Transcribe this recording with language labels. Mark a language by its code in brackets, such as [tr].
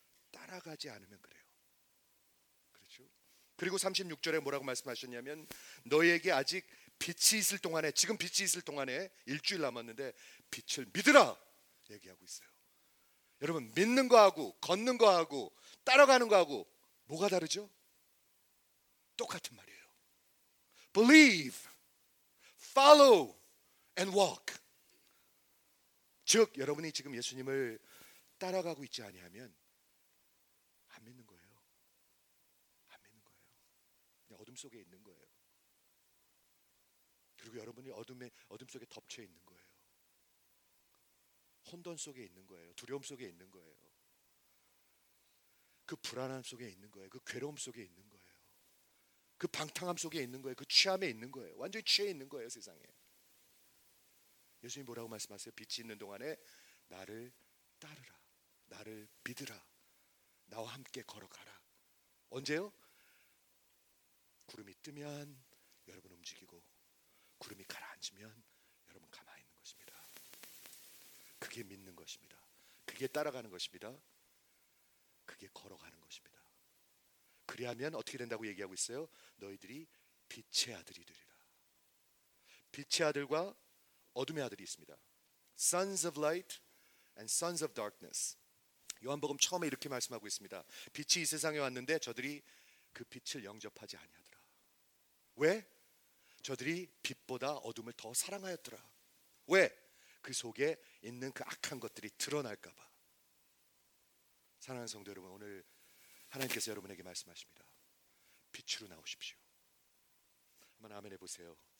[ko] 따라가지 않으면 그래요. 그렇죠? 그리고 36절에 뭐라고 말씀하셨냐면 너희에게 아직 빛이 있을 동안에, 지금 빛이 있을 동안에 일주일 남았는데 빛을 믿으라 얘기하고 있어요. 여러분 믿는 거하고 걷는 거하고 따라가는 거하고 뭐가 다르죠? 똑같은 말이에요. [en] Believe, follow and walk. [ko] 즉 여러분이 지금 예수님을 따라가고 있지 아니하면 안 믿는 거예요. 안 믿는 거예요. 그냥 어둠 속에 있는 거예요. 그리고 여러분이 어둠 속에 덮쳐 있는 거예요. 혼돈 속에 있는 거예요. 두려움 속에 있는 거예요. 그 불안함 속에 있는 거예요. 그 괴로움 속에 있는 거예요. 그 방탕함 속에 있는 거예요. 그 취함에 있는 거예요. 완전히 취해 있는 거예요, 세상에. 예수님 뭐라고 말씀하세요? 빛이 있는 동안에 나를 따르라. 나를 믿으라. 나와 함께 걸어가라. 언제요? 구름이 뜨면 여러분 움직이고 구름이 가라앉으면 여러분 가만히 있는 것입니다. 그게 믿는 것입니다. 그게 따라가는 것입니다. 그게 걸어가는 것입니다. 그리하면 어떻게 된다고 얘기하고 있어요? 너희들이 빛의 아들이 되리라. 빛의 아들과 어둠의 아들이 있습니다. [en] Sons of light and sons of darkness. [ko] 요한복음 처음에 이렇게 말씀하고 있습니다. 빛이 이 세상에 왔는데 저들이 그 빛을 영접하지 아니하더라. 왜? 저들이 빛보다 어둠을 더 사랑하였더라. 왜? 그 속에 있는 그 악한 것들이 드러날까 봐. 사랑하는 성도 여러분, 오늘 하나님께서 여러분에게 말씀하십니다. 빛으로 나오십시오. 한번 아멘 해보세요.